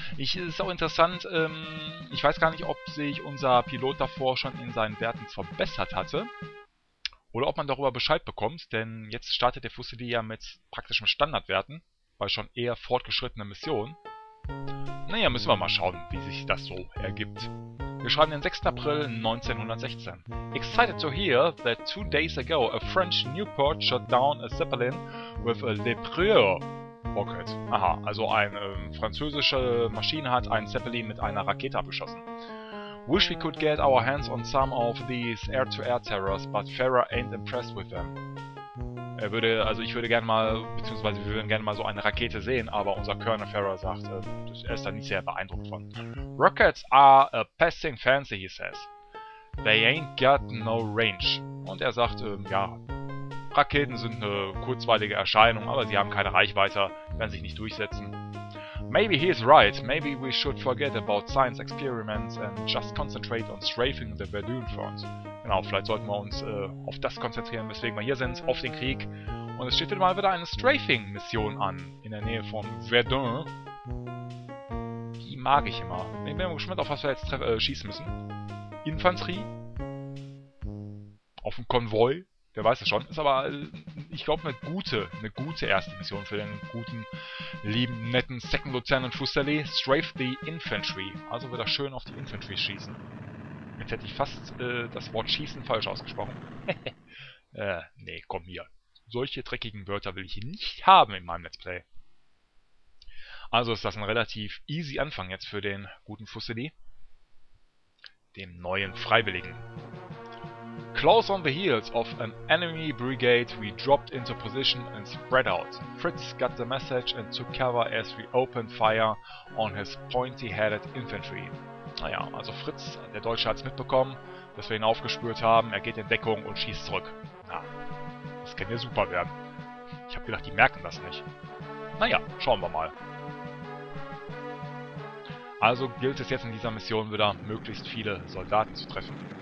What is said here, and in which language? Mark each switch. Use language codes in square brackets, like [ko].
[de] Ist auch interessant, ich weiß gar nicht, ob sich unser Pilot davor schon in seinen Werten verbessert hatte. Oder ob man darüber Bescheid bekommt, denn jetzt startet der Fuszeli ja mit praktischen Standardwerten, bei schon eher fortgeschrittene Missionen. Naja, müssen wir mal schauen, wie sich das so ergibt. Wir schreiben den 6. April 1916. [en] Excited to hear that 2 days ago a French Newport shot down a Zeppelin with a Lepreux rocket. [de] Aha, also eine französische Maschine hat einen Zeppelin mit einer Rakete abgeschossen. [en] Wish we could get our hands on some of these air-to-air terrors, but Farah ain't impressed with them. [de] Wir würden gerne mal so eine Rakete sehen, aber unser Colonel Farah sagt, er ist da nicht sehr beeindruckt von. [en] Rockets are a passing fancy, he says. They ain't got no range. [de] Und er sagt, Raketen sind eine kurzweilige Erscheinung, aber sie haben keine Reichweite, werden sich nicht durchsetzen. [en] Maybe he is right. Maybe we should forget about science experiments and just concentrate on strafing the balloon front. [de] Genau, vielleicht sollten wir uns auf das konzentrieren, weswegen wir hier sind, auf den Krieg. Und es steht mal wieder eine Strafing-Mission an, in der Nähe von Verdun. Die mag ich immer. Ich bin gespannt, auf was wir jetzt schießen müssen. Infanterie? Auf dem Konvoi? Wer weiß das schon. Ist aber, ich glaube, eine gute erste Mission für den guten, lieben, netten Second Lieutenant Fuszeli. [en] Strafe the Infantry. [de] Also wieder schön auf die Infantry schießen. Jetzt hätte ich fast das Wort Schießen falsch ausgesprochen. nee, komm hier. Solche dreckigen Wörter will ich nicht haben in meinem Let's Play. Also ist das ein relativ easy Anfang jetzt für den guten Fuszeli. Dem neuen Freiwilligen. [en] Close on the heels of an enemy brigade, we dropped into position and spread out. Fritz got the message and took cover as we opened fire on his pointy-headed infantry. [de] Naja, also Fritz, der Deutsche, hat es mitbekommen, dass wir ihn aufgespürt haben. Er geht in Deckung und schießt zurück. Na, das kann ja super werden. Ich habe gedacht, die merken das nicht. Naja, schauen wir mal. Also gilt es jetzt in dieser Mission wieder, möglichst viele Soldaten zu treffen.